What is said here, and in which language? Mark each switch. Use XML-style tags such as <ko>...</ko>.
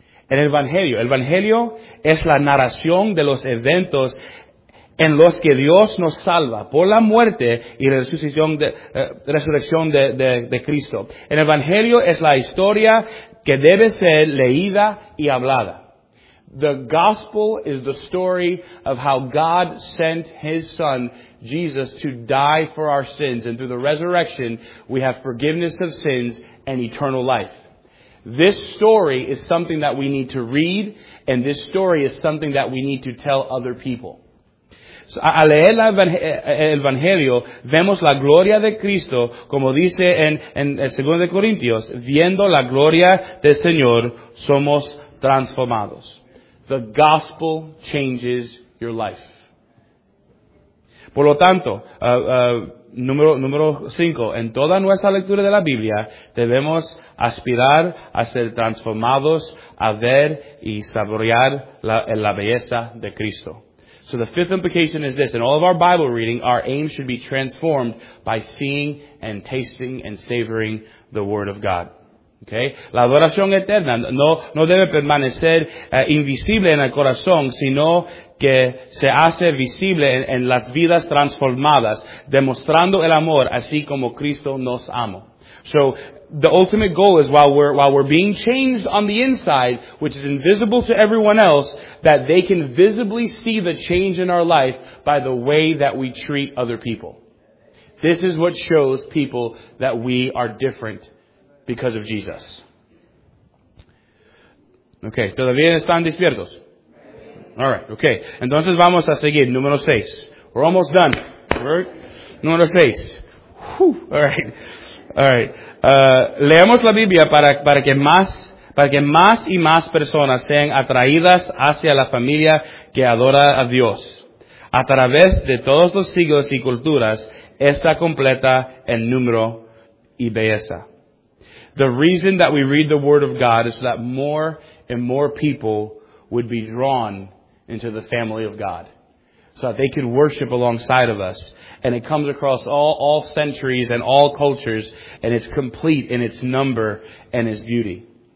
<es>En el Evangelio. El Evangelio es la narración de los eventos en los que Dios nos salva por la muerte y resurrección de Cristo. El Evangelio es la historia que debe ser leída y hablada.</es> <en>The gospel is the story of how God sent His Son, Jesus, to die for our sins. And through the resurrection, we have forgiveness of sins and eternal life. This story is something that we need to read, and this story is something that we need to tell other people.</en> <es>So, al leer el Evangelio, vemos la gloria de Cristo, como dice en 2 Corintios, viendo la gloria del Señor, somos transformados.</es> <en>The gospel changes your life.</en> <es>Por lo tanto, número 5, en toda nuestra lectura de la Biblia, debemos aspirar a ser transformados, a ver y saborear la belleza de Cristo.</es> <en>So the fifth implication is this: in all of our Bible reading, our aim should be transformed by seeing and tasting and savoring the Word of God. Okay?</en> <es>La adoración eterna no debe permanecer invisible en el corazón, sino que se hace visible en las vidas transformadas, demostrando el amor así como Cristo nos amó.</es> <en>So the ultimate goal is while we're being changed on the inside, which is invisible to everyone else, that they can visibly see the change in our life by the way that we treat other people. This is what shows people that we are different because of Jesus.</en> <es>Okay, ¿todavía están despiertos? All right, okay. Entonces vamos a seguir. Número 6.</es> <en>We're almost done.</en> <es>Right? Número 6. Whew. All right. All right. Leemos la Biblia para que más y más personas sean atraídas hacia la familia que adora a Dios. A través de todos los siglos y culturas, está completa en número y belleza.</es> <en>The reason that we read the Word of God is that more and more people would be drawn into the family of God, so that they could worship alongside of us. And it comes across all centuries and all cultures, and it's complete in its number and its beauty.</en>